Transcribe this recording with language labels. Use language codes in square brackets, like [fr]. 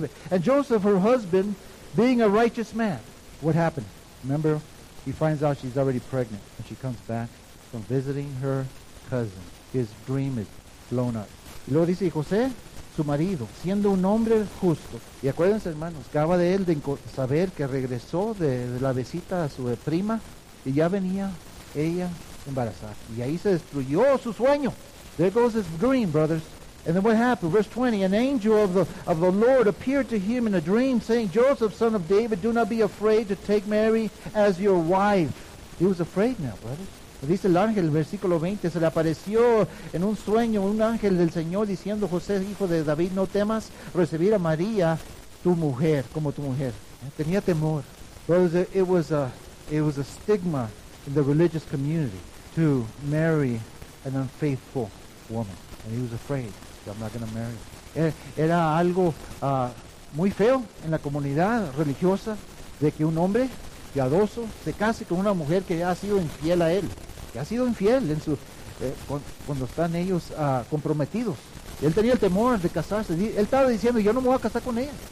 [en] And Joseph, her husband, being a righteous man. What happened? Remember, he finds out she's already pregnant. And she comes back from visiting her cousin. His dream is blown up. [es] Y luego dice, y José, su marido, siendo un hombre justo. Y acuérdense, hermanos, acaba de él de saber que regresó de la visita a su prima. Y ya venía ella embarazada. Y ahí se destruyó su sueño. [en] There goes his dream, brothers. And then what happened? Verse 20, an angel of the Lord appeared to him in a dream, saying, Joseph, son of David, do not be afraid to take Mary as your wife. He was afraid now, brothers. [es] Dice el ángel, versículo 20, se le apareció en un sueño un ángel del Señor diciendo, José, hijo de David, no temas recibir a María, tu mujer, como tu mujer. Tenía temor. [en] Brothers, it was a stigma in the religious community to marry an unfaithful woman. And he was afraid, I'm not going to marry her. [es] Era algo muy feo en la comunidad religiosa de que un hombre piadoso se case con una mujer que ha sido infiel a él. Que ha sido infiel en su cuando están ellos comprometidos. Él tenía el temor de casarse. Él estaba diciendo, yo no me voy a casar con ella.